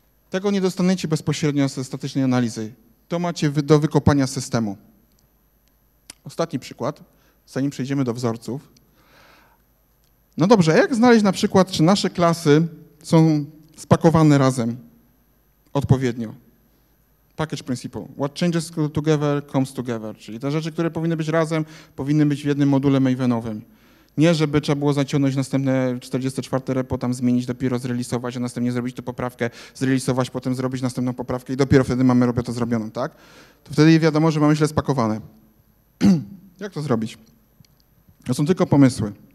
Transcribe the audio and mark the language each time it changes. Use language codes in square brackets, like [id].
[pl] Tego nie dostaniecie bezpośrednio ze statycznej analizy. To macie do wykopania systemu. Ostatni przykład, zanim przejdziemy do wzorców. No dobrze, jak znaleźć na przykład, czy nasze klasy są spakowane razem odpowiednio? [en] Package principle. What changes together comes together. [pl] Czyli te rzeczy, które powinny być razem, powinny być w jednym module mavenowym. Nie, żeby trzeba było zaciągnąć następne 44 repo, tam zmienić, dopiero zrealizować, a następnie zrobić tę poprawkę, zrealizować, potem zrobić następną poprawkę i dopiero wtedy mamy robię to zrobioną, tak? To wtedy wiadomo, że mamy źle spakowane. Jak to zrobić? To są tylko pomysły.